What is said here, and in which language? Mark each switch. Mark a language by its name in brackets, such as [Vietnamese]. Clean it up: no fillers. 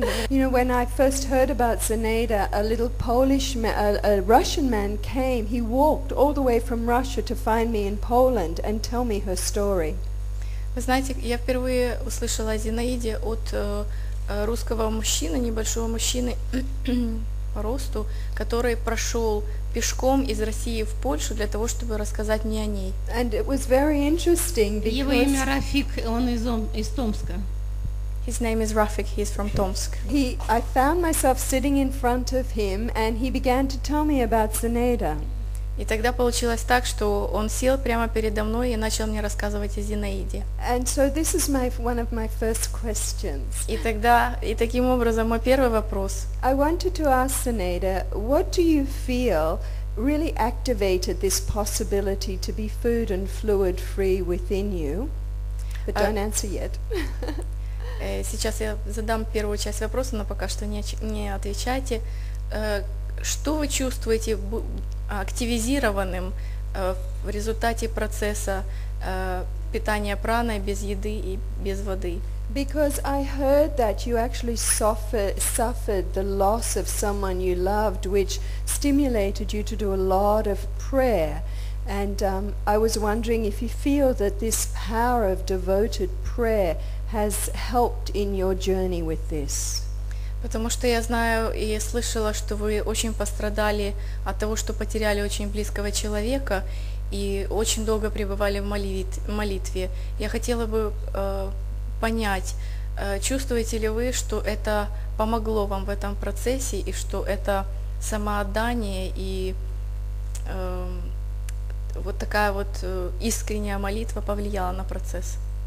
[English] You know, when I first heard about Zinaida, a little Polish man, a Russian man came. He walked all the way from Russia to find me in Poland and tell me her story. [Russian] Вы знаете, я впервые услышала о Зинаиде от русского мужчины, небольшого мужчины по росту, который прошел пешком из России в Польшу для того, чтобы рассказать мне о ней. [English] And it was very interesting because... [Russian] Его имя Рафик, он из Томска. [English] His name is Rafik, he's from Tomsk. I found myself sitting in front of him and he began to tell me about Zinaida. [Russian] И тогда получилось так, что он сел прямо передо мной и начал мне рассказывать о Зинаиде. [English] And so this is one of my first questions. [Russian] И таким образом мой первый вопрос. [English] I wanted to ask Zinaida, what do you feel really activated this possibility to be food and fluid free within you? But don't answer yet. [Russian] Сейчас я задам первую часть вопроса, но пока что не отвечайте. Что вы чувствуете активизированным в результате процесса питания праной без еды и без воды? [English] Because I heard that you actually suffered the loss of someone you loved, which stimulated you to do a lot of prayer. And I was wondering if you feel that this power of devoted prayer has helped in your journey with this. [Russian] Потому что я знаю и слышала, что вы очень пострадали от того, что потеряли очень близкого человека и очень долго пребывали в молитве. Я хотела бы понять, чувствуете ли вы, что это помогло вам в этом процессе и что это самоотдание и вот такая вот искренняя молитва повлияла на процесс?